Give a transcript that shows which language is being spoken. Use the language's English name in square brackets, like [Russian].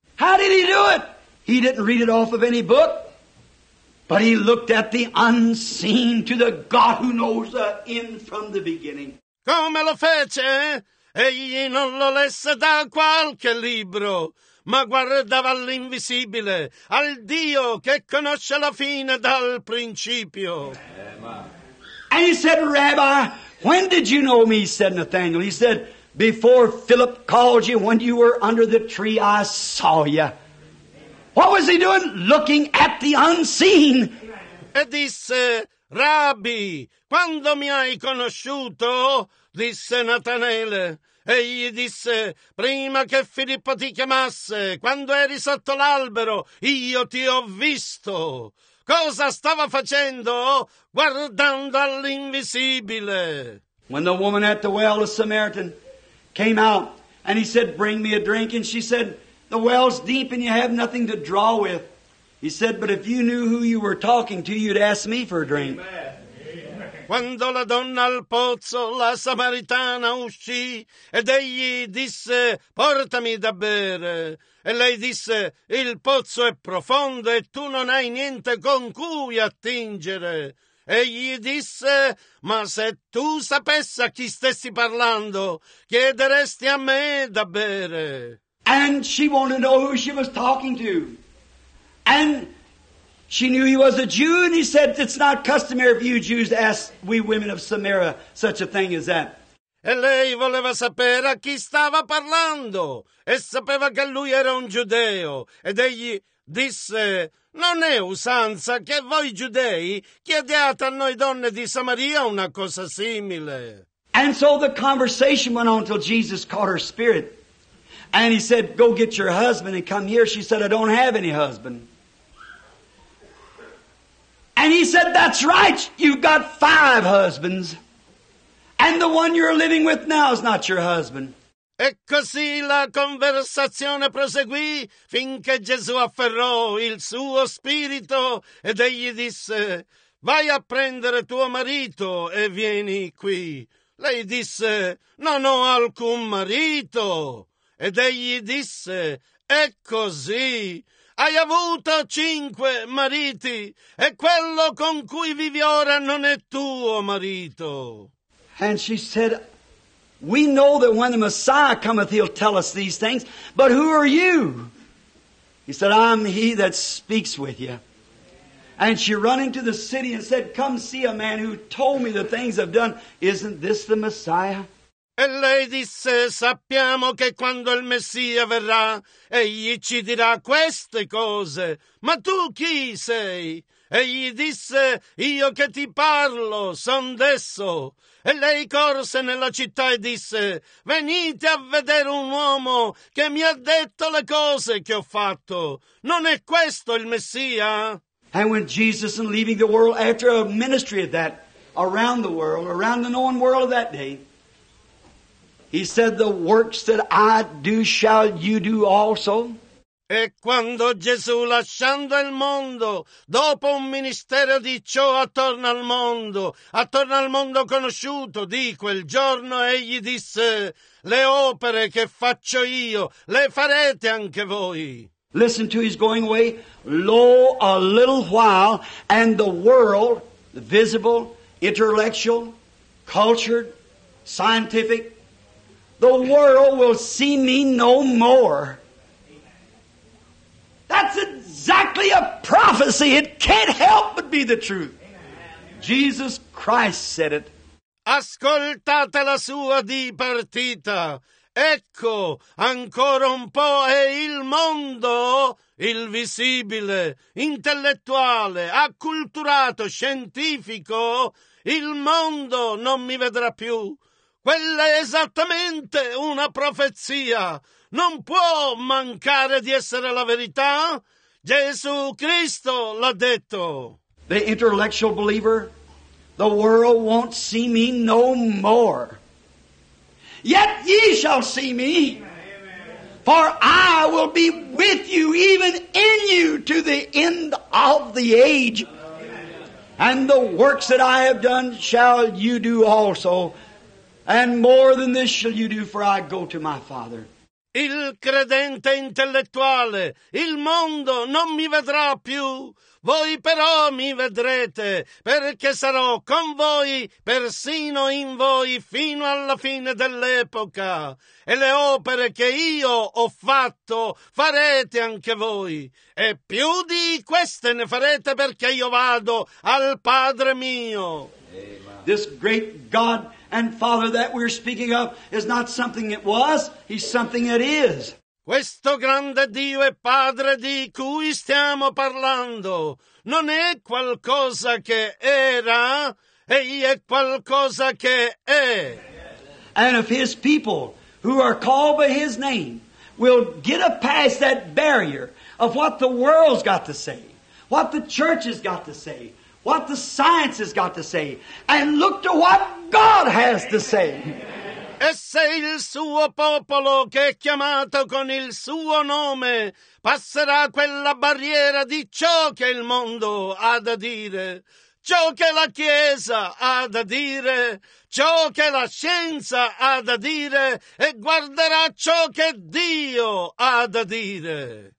[English] How did he do it? He didn't read it off of any book, but he looked at the unseen, to the God who knows the end from the beginning. [Italian] Come lo fece? Egli non lo lesse da qualche libro, ma guardava all'invisibile, al Dio che conosce la fine dal principio. [English] And he said, Rabbi, when did you know me? Said Nathanael. He said, before Philip called you, when you were under the tree, I saw you. What was he doing? Looking at the unseen. [Italian] E disse, Rabbi, quando mi hai conosciuto? Disse Natanele. E gli disse, prima che Filippo ti chiamasse, quando eri sotto l'albero, io ti ho visto. Cosa stava facendo? Guardando all'invisibile. [English] When the woman at the well, the Samaritan, came out, and he said, bring me a drink. And she said, the well's deep and you have nothing to draw with. He said, but if you knew who you were talking to, you'd ask me for a drink. [Italian] Quando la donna al pozzo, la samaritana, uscì, ed egli disse, portami da bere. E lei disse, il pozzo è profondo e tu non hai niente con cui attingere. Egli disse, ma se tu sapessi a chi stessi parlando, chiederesti a me da bere. [English] And she wanted to know who she was talking to. And she knew he was a Jew, and he said, it's not customary for you Jews to ask we women of Samaria such a thing as that. [Italian] E lei voleva sapere a chi stava parlando, e sapeva che lui era un giudeo. Ed egli disse, non è usanza che voi giudei chiediate a noi donne di Samaria una cosa simile. [English] And so the conversation went on till Jesus caught her spirit. And he said, go get your husband and come here. She said, I don't have any husband. And he said, that's right, you've got five husbands. And the one you're living with now is not your husband. [Italian] E così la conversazione proseguì finché Gesù afferrò il suo spirito ed egli disse, vai a prendere tuo marito e vieni qui. Lei disse, non ho alcun marito. Ed egli disse, è così. Hai avuto cinque mariti e quello con cui vivi ora non è tuo marito. [English] And she said, we know that when the Messiah cometh, he'll tell us these things, but who are you? He said, I'm he that speaks with you. And she ran into the city and said, come see a man who told me the things I've done. Isn't this the Messiah? [Italian] E lei disse, sappiamo che quando il Messia verrà, egli ci dirà queste cose. Ma tu chi sei? Egli disse, io che ti parlo, son desso. E lei corse nella città e disse, venite a vedere un uomo che mi ha detto le cose che ho fatto. Non è questo il Messia? [English] And when Jesus, in leaving the world, after a ministry of that, around the world, around the known world of that day, he said, the works that I do shall you do also. [Italian] E quando Gesù, lasciando il mondo, dopo un ministero di ciò attorno al mondo conosciuto di quel giorno, egli disse, le opere che faccio io, le farete anche voi. [English] Listen to his going away. Lo, a little while, and the world, the visible, intellectual, cultured, scientific, the world will see me no more. That's exactly a prophecy. It can't help but be the truth. Jesus Christ said it. [Italian] Ascoltate la sua dipartita. Ecco, ancora un po' e il mondo, il visibile, intellettuale, acculturato, scientifico, il mondo non mi vedrà più. Quella è esattamente una profezia. Non può mancare di essere la verità. Gesù Cristo l'ha detto. [English] The intellectual believer, the world won't see me no more. Yet ye shall see me. For I will be with you, even in you, to the end of the age. And the works that I have done shall you do also. And more than this shall you do, for I go to my Father. [Italian] Il credente intellettuale, il mondo non mi vedrà più. Voi però mi vedrete, perché sarò con voi, persino in voi, fino alla fine dell'epoca. E le opere che io ho fatto farete anche voi. E più di queste ne farete perché io vado al Padre mio. Amen. [English] This great God and Father that we're speaking of is not something it was, He's something that is. [Italian] Questo grande Dio e Padre di cui stiamo parlando non è qualcosa che era, Egli è qualcosa che è. [English] And if His people, who are called by His name, will get up past that barrier of what the world's got to say, what the church has got to say, what the science has got to say, and look to what God has to say. [Italian] E se il suo popolo, che è chiamato con il suo nome, passerà quella barriera di ciò che il mondo ha da dire, ciò che la Chiesa ha da dire, ciò che la scienza ha da dire, e guarderà ciò che Dio ha da dire.